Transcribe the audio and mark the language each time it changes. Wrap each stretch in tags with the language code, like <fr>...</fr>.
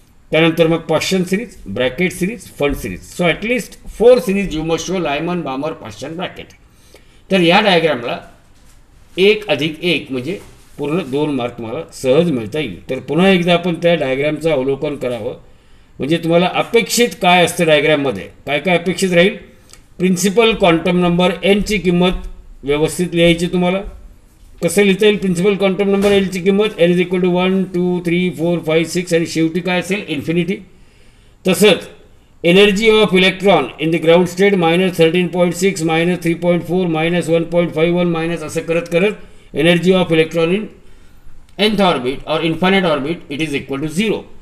<mr>त्यानंतर मग</mr> <en>पाश्चन series bracket series fund series so at least four series you must show Lyman बामर पाश्चन bracket.</en> <mr>तर या डायग्रामला एक अधिक एक म्हणजे पूर्ण दोन मार्क तुम्हाला सहज मिळता येईल. तर पुन्हा एकदा आपण त्या डायग्रामचं अवलोकन करावं म्हणजे तुम्हाला अपेक्षित काय असतं डायग्राममध्ये काय काय अपेक्षित राहील. प्रिन्सिपल क्वांटम नंबर एनची किंमत व्यवस्थित लिहायची तुम्हाला कसं लिहिता येईल. प्रिन्सिपल क्वांटम नंबर एलची किंमत एल इज इक्वल टू 1, 2, 3, 4, 5, 6 आणि शेवटी काय असेल इन्फिनिटी.</mr> <en>तसंच energy of electron in the ground state -13.6, -3.4, -1.51</en> <mr>असं करत</mr> <en>Energy of electron in nth orbit or infinite orbit it is equal to 0.</en>